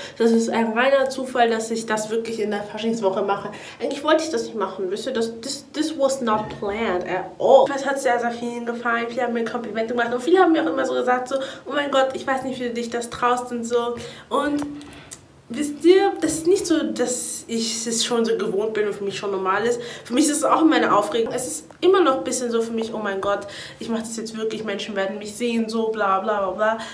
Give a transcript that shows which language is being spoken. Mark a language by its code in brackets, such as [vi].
[de] Das ist ein reiner Zufall, dass ich das wirklich in der Faschingswoche mache. Eigentlich wollte ich das nicht machen, wisst ihr? [en] This was not planned at all. [de] Es hat sehr, sehr vielen gefallen. Viele haben mir Komplimente gemacht. Und viele haben mir auch immer so gesagt, so, oh mein Gott, ich weiß nicht, wie du dich das traust und so. Und wisst ihr, das ist nicht so, dass ich es schon so gewohnt bin und für mich schon normal ist. Für mich ist es auch immer eine Aufregung. Es ist immer noch ein bisschen so für mich, oh mein Gott, ich mache das jetzt wirklich, Menschen werden mich sehen, so bla bla bla bla.